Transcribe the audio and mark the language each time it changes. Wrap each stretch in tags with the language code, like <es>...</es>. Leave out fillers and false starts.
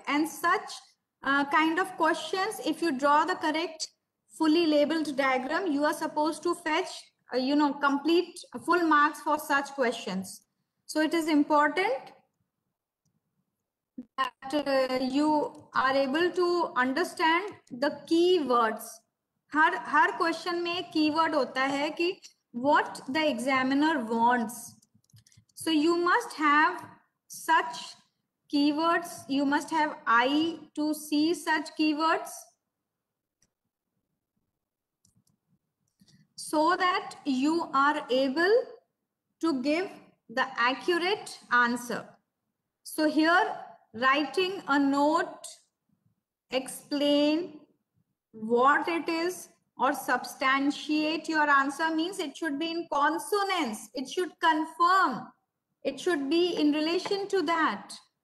<en>And such kind of questions, if you draw the correct fully labeled diagram, you are supposed to fetch complete full marks for such questions. So it is important that you are able to understand the key words.</en> <hi>हर question में एक keyword होता है कि</hi> <en>What the examiner wants. So you must have such keywords, you must have eye to see such keywords, so that you are able to give the accurate answer. So here writing a note explain what it is or substantiate your answer means it should be in consonance, it should confirm, it should be in relation to that.</en>